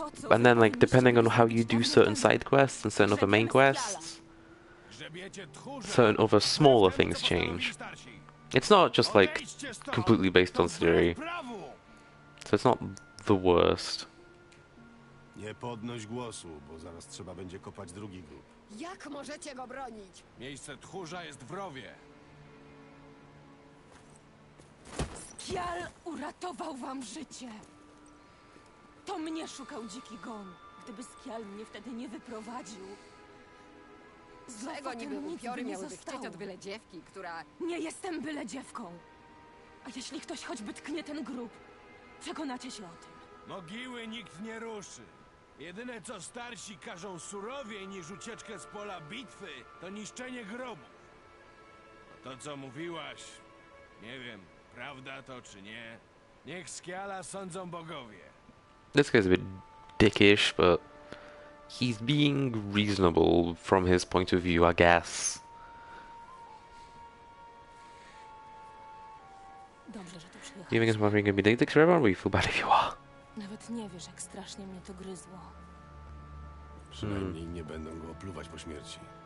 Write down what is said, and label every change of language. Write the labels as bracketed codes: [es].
[en] And then, like, depending on how you do certain side quests and certain other main quests, certain other smaller things change. It's not just like completely based on Ciri, so it's not the worst. [pl] Nie podnoś głosu, bo zaraz trzeba będzie kopać drugi grób. Jak możecie go bronić? Miejsce tchórza jest w rowie. Skjal uratował wam życie. To mnie szukał dziki gon. Gdyby Skjal mnie wtedy nie wyprowadził. Złego niby upiory miałby chcieć od byle dziewki, która... Nie jestem byle dziewką. A jeśli ktoś choćby tknie ten grób, przekonacie się o tym. Mogiły nikt nie ruszy. Jedyne, co starsi każą surowiej niż ucieczkę z pola bitwy, to niszczenie grobu. A to, co mówiłaś, nie wiem, prawda to czy nie, niech Skjala sądzą bogowie. [en] This guy's a bit dickish, but he's being reasonable from his point of view, I guess. [pl] Dobrze, że to przyjechałeś. [en] You think it's my friend gonna be dick forever, or you feel bad if you are? [pl] Nawet nie wiesz, jak strasznie mnie to gryzło. Przynajmniej nie będą go opluwać po śmierci.